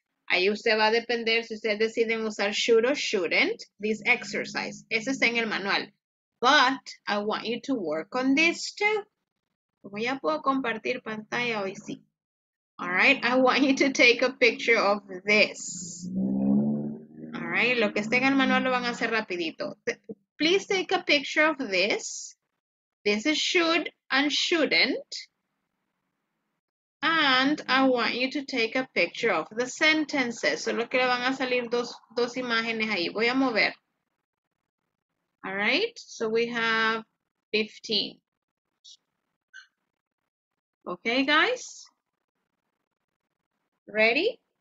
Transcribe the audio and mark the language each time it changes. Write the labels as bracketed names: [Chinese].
[Spanish] Ahí usted va a depender si usted decide usar should or shouldn't, [English] this exercise. [Spanish] Ese está en el manual. [English] But I want you to work on this too. [Spanish] ¿Cómo ya puedo compartir pantalla hoy? Sí. [English] All right, I want you to take a picture of this. [Spanish] All right, lo que esté en el manual lo van a hacer rapidito. [English] Please take a picture of this. This is should and shouldn't. And I want you to take a picture of the sentences. [Spanish] Solo que le van a salir dos imágenes ahí. Voy a mover. [English] All right, so we have 15. Okay, guys? Ready?